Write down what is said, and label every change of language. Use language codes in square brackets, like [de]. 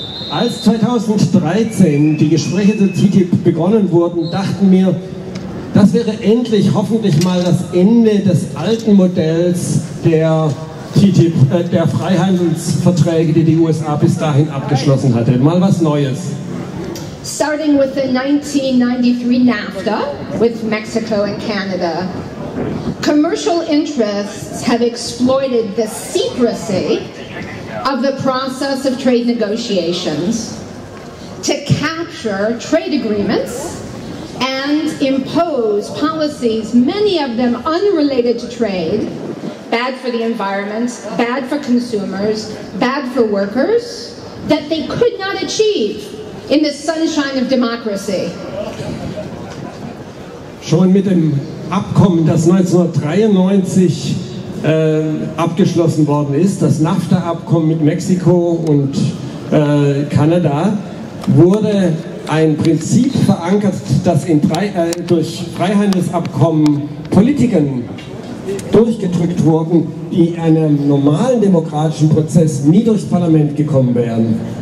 [de] Als 2013 die Gespräche zu TTIP begonnen wurden, dachten wir, das wäre endlich hoffentlich mal das Ende des alten Modells der TTIP, der Freihandelsverträge, die die USA bis dahin abgeschlossen hatte. Mal was Neues. [en] Starting with the 1993 NAFTA with Mexico and Canada, commercial interests have exploited the secrecy of the process of trade negotiations to capture trade agreements and impose policies, many of them unrelated to trade, bad for the environment, bad for consumers, bad for workers, that they could not achieve in the sunshine of democracy. [de] Schon mit dem Abkommen, das 1993 abgeschlossen worden ist, das NAFTA-Abkommen mit Mexiko und Kanada, wurde ein Prinzip verankert, das in durch Freihandelsabkommen Politiken durchgedrückt wurden, die in einem normalen demokratischen Prozess nie durchs Parlament gekommen wären.